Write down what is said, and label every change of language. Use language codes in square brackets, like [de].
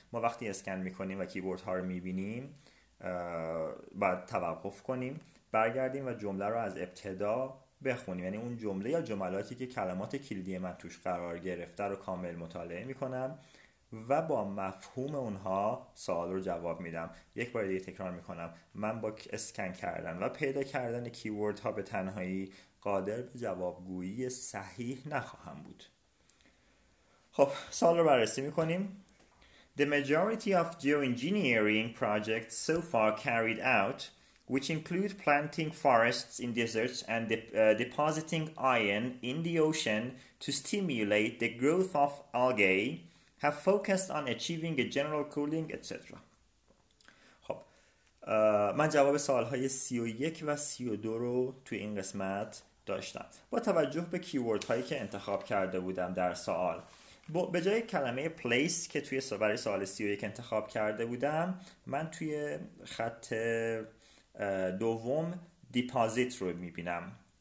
[fa] ما وقتی اسکن میکنیم و کیورد ها رو میبینیم باید توقف کنیم، برگردیم و جمله رو از ابتدا بخونیم، یعنی اون جمله یا جملاتی که کلمات کلیدی من توش قرار گرفته رو کامل مطالعه میکنم و با مفهوم اونها سوال رو جواب میدم. یک بار دیگه تکرار میکنم، من با اسکن کردن و پیدا کردن کیورد ها به تنهایی قادر به جوابگویی صحیح نخواهم بود. خب سوال رو بررسی میکنیم. [en] The majority of geoengineering projects so far carried out, which include planting forests in deserts and depositing iron in the ocean to stimulate the growth of algae, have focused on achieving a general cooling, etc. [fa] خب من جواب سوال های 31 و 32 رو توی این قسمت داشتم. با توجه به کیورد هایی که انتخاب کرده بودم در سوال، به جای کلمه place که توی برای سوال 31 انتخاب کرده بودم، من توی خط دوم deposit رو میبینم.